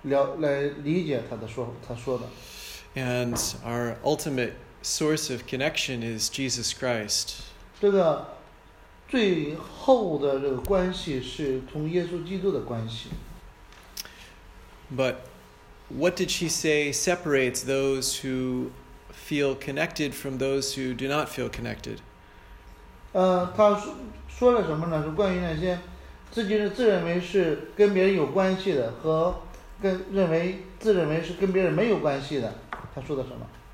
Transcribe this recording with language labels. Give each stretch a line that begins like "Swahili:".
Chinese: 我们也可以从信仰的角度来理解她的说的。
English: And our ultimate source of connection is Jesus Christ.
Chinese: 这个最后的这个关系是从耶稣基督的关系。
English: But what did she say separates those who feel connected from those who do not feel connected?
Chinese: 她说了什么呢？是关于那些自己自认为是跟别人有关系的和跟认为自认为是跟别人没有关系的，她说的什么？